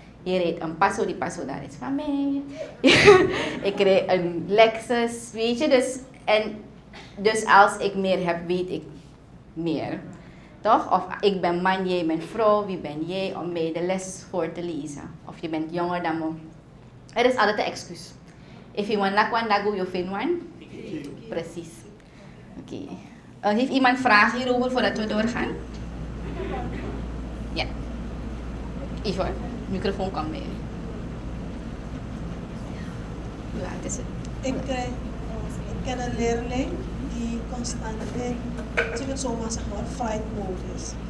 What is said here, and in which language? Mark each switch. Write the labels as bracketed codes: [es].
[nl] Je reed een Passo, die Passo daar is van mij. Ik reed een Lexus, weet je. Dus, en, dus als ik meer heb, weet ik meer. Toch? Of ik ben man, jij bent vrouw, wie ben jij om mij de les voor te lezen? Of je bent jonger dan me. Het is altijd een excuus. [en] If you want to go, you go find one. [nl] Precies. Oké. Okay. Heeft iemand vragen hierover voordat we doorgaan? Ja. Ivo, microfoon kan mee. Ja, het is het. Ik ken een leerling die constant denkt, als ik het zo maar zeg, fight mode is.